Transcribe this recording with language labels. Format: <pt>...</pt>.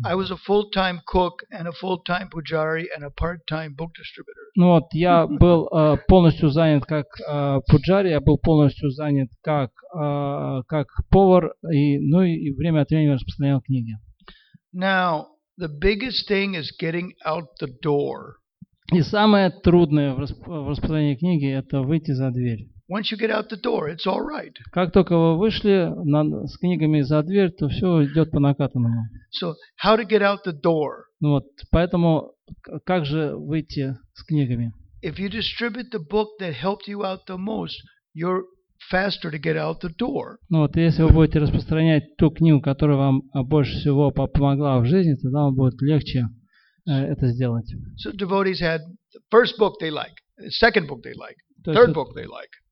<en>I was a full-time cook and a full-time pujari and a part-time book distributor.</en> <ru>Ну вот, я был полностью занят как пуджари, я был полностью занят как повар, и время от времени распространял книги.</ru> <en>Now, the biggest thing is getting out the door.</en> <ru>И самое трудное в распространении книги – это выйти за дверь.</ru> <en>Once you get out the door, it's all right.</en> <ru>Как только вы вышли с книгами за дверь, то все идет по накатанному.</ru> <en>So, how to get out the door?</en> <ru>Ну вот, поэтому как же выйти с книгами?</ru> <en>If you distribute the book that helped you out the most, you're faster to get out the door.</en> <ru>Ну вот, если вы будете распространять ту книгу, которая вам больше всего помогла в жизни, тогда вам будет легче это сделать.</ru> <en>So devotees had the first book they like, the second book they like, third book they like.</en>